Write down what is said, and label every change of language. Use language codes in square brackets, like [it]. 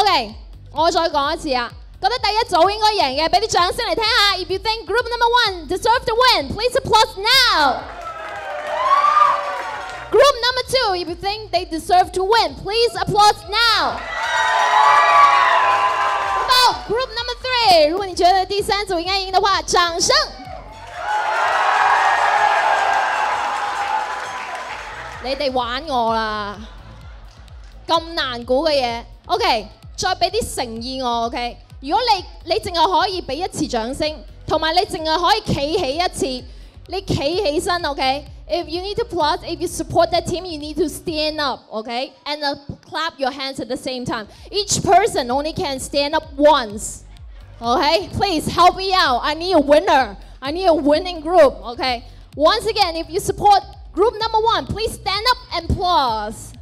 [yue] OK， 我再讲一次啊，觉得第一组应该赢嘅，俾啲掌声嚟听下。 [en] If you think group number one deserve to win, please applaud now. Group number two, if you think they deserve to win, please applaud now. About group number three, [yue] 如果你觉得第三组应该赢的话，掌声。你哋玩我啦，咁难估嘅嘢。 OK， 再俾啲诚意我。 OK， 如果你净系可以俾一次掌声，同埋你净系可以企起一次，你企起身。 OK。 [en] If you need to applaud, if you support that team, you need to stand up, okay? And clap your hands at the same time. Each person only can stand up once, okay? Please help me out. I need a winner. I need a winning group, okay? Once again, if you support group number one, please stand up and applaud.